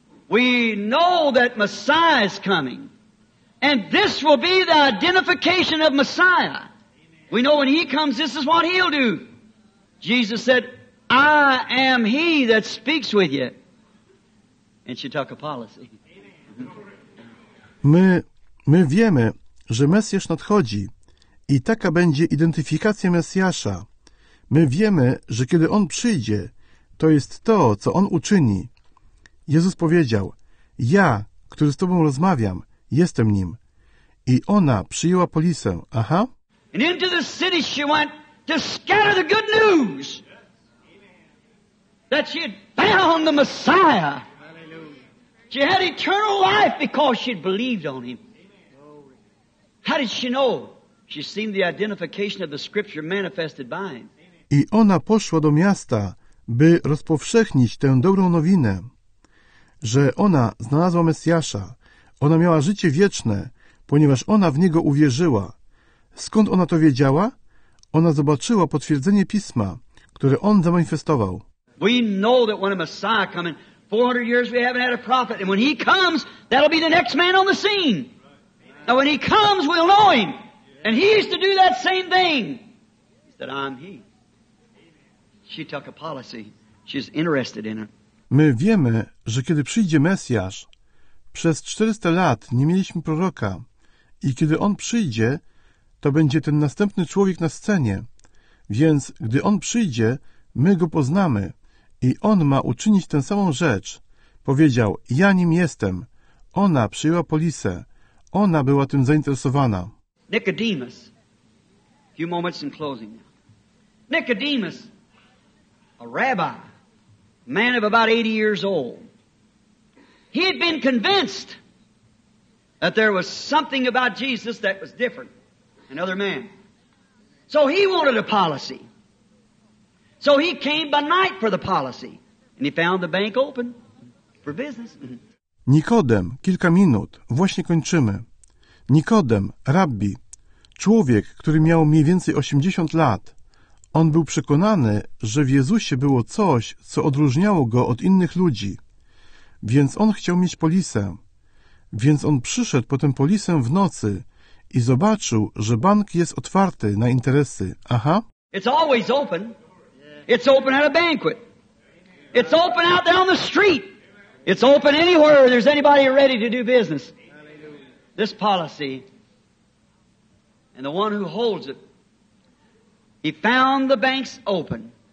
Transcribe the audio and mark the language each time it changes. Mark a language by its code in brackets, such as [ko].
[en] We know that Messiah is coming. And this will be the identification of Messiah. We know when he comes, this is what he'll do. Jesus said, I am he that speaks with you. And she took a policy. [pl] My wiemy, że Mesjasz nadchodzi. I taka będzie identyfikacja Mesjasza. My wiemy, że kiedy On przyjdzie, to jest to, co On uczyni. Jezus powiedział, ja, który z Tobą rozmawiam, jestem Nim. I ona przyjęła polisę. Aha. [en] And into the city she went to scatter the good news. That she had found the Messiah. She had eternal life because she had believed on Him. How did she know? She seen the identification of the scripture manifested by him. [pl] I ona poszła do miasta, by rozpowszechnić tę dobrą nowinę, że ona znalazła Mesjasza. Ona miała życie wieczne, ponieważ ona w Niego uwierzyła. Skąd ona to wiedziała? Ona zobaczyła potwierdzenie Pisma, które On zamanifestował. [en] We know that when a Messiah comes, 400 years we haven't had a prophet, and when he comes, that'll be the next man on the scene. Now when he comes, we'll know him. And he used to do that same thing. He said, I'm he. She took a policy. She's interested in it. [pl] My wiemy, że kiedy przyjdzie Mesjasz, przez 400 lat nie mieliśmy proroka. I kiedy on przyjdzie, to będzie ten następny człowiek na scenie. Więc gdy on przyjdzie, my go poznamy. I on ma uczynić tę samą rzecz. Powiedział, ja nim jestem. Ona przyjęła polisę. Ona była tym zainteresowana. [en] Nicodemus, a few moments in closing. Nicodemus, a rabbi, man of about 80 years old. He had been convinced that there was something about Jesus that was different, another man. So he wanted a policy. So he came by night for the policy. And he found the bank open for business. [pl] Nikodem, kilka minut, właśnie kończymy. Nikodem, rabbi. Człowiek, który miał mniej więcej 80 lat, on był przekonany, że w Jezusie było coś, co odróżniało go od innych ludzi. Więc on chciał mieć polisę. Więc on przyszedł po tę polisę w nocy i zobaczył, że bank jest otwarty na interesy. Aha. [en] It's always open. It's open at a banquet. It's open out there on the street. It's open anywhere there's anybody ready to do business. This policy. And the one who holds it, he found the banks open.